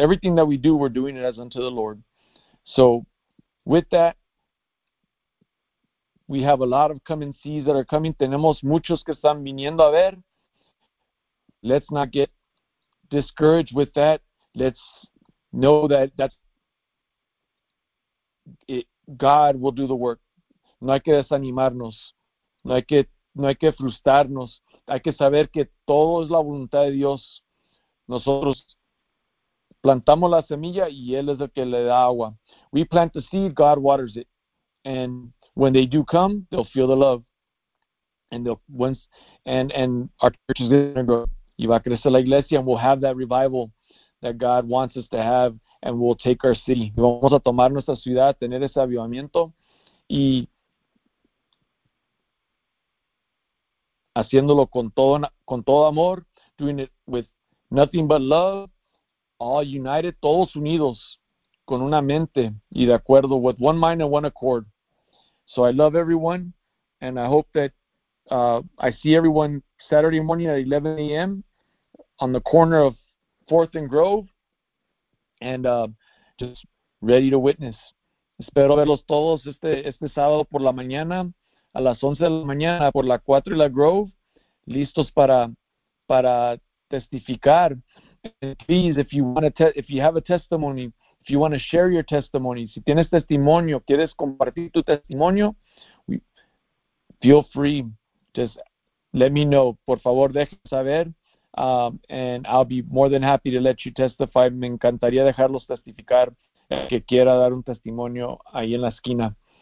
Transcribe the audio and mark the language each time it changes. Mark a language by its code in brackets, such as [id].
[en] Everything that we do, we're doing it as unto the Lord. So, with that, we have a lot of coming seas that are coming. [es] Tenemos muchos que están viniendo a ver. [en] Let's not get discouraged with that. Let's know that God will do the work. [es] No hay que desanimarnos. No hay que frustrarnos. Hay que saber que todo es la voluntad de Dios. Nosotros plantamos la semilla y Él es el que le da agua. [en] We plant the seed, God waters it. And when they do come, they'll feel the love. And our church is going to grow. [es] Y va a crecer la iglesia, [en] and we'll have that revival that God wants us to have, and we'll take our city. [es] Vamos a tomar nuestra ciudad, tener ese avivamiento, y haciéndolo con todo amor, [en] doing it with nothing but love, all united, [es] todos unidos, con una mente, y de acuerdo, [en] with one mind and one accord. So I love everyone, and I hope that I see everyone Saturday morning at 11 a.m., on the corner of 4th and Grove, and just ready to witness. [es] Espero verlos todos este sábado por la mañana, a las 11 de la mañana, por la 4 y la Grove, listos para testificar. [en] And please, if you have a testimony, if you want to share your testimony, [es] si tienes testimonio, quieres compartir tu testimonio, [en] feel free, just let me know. [es] Por favor, déjame saber. [en] And I'll be more than happy to let you testify. [es] Me encantaría dejarlos testificar que quiera dar un testimonio ahí en la esquina.